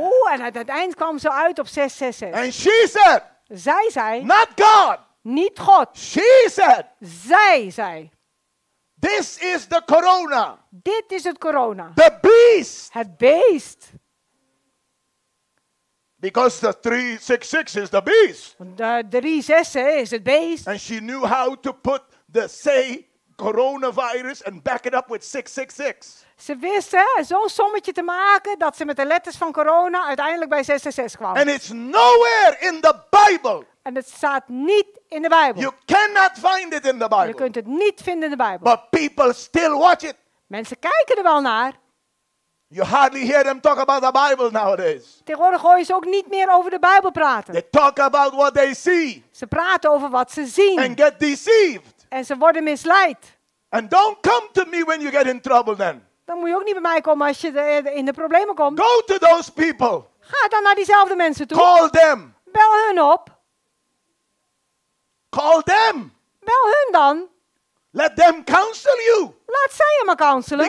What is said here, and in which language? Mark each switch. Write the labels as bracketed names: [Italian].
[Dutch] Oh, en aan het eind kwam ze uit op 666. [English] And she said. [Dutch] Zij zei. [English] Not God. [Dutch] Niet God. [English] She said. [Dutch] Zij zei. [English] This is the corona. [Dutch] Dit is het corona. [English] The beast. [Dutch] Het beest. [English] Because the 366 is the beast. [Dutch] De 366 is het beest. [English] And she knew how to put the say coronavirus and back it up with 666. [Dutch] Ze wist hè, zo'n sommetje te maken dat ze met de letters van corona uiteindelijk bij 666 kwam. [English] And it's nowhere in the Bible. [Dutch] En het staat niet in de Bijbel. [English] You cannot find it in the Bible. [Dutch] Je kunt het niet vinden in de Bijbel. [English] But people still watch it. [Dutch] Mensen kijken er wel naar. [English] You hardly hear them talk about the Bible nowadays. [Dutch] Tegenwoordig hoor je ze ook niet meer over de Bijbel praten. [English] They talk about what they see. [Dutch] Ze praten over wat ze zien. [English] And get deceived. [Dutch] En ze worden misleid. [English] And don't come to me when you get in trouble then. [Dutch] Dan moet je ook niet bij mij komen als je in de problemen komt. [English] Go to those people. [Dutch] Ga dan naar diezelfde mensen toe. [English] Call them. [Dutch] Bel hun op. [English] Call them. [Dutch] Bel hun dan. [English] Let them counsel you. [Dutch] Laat zij je maar counselen.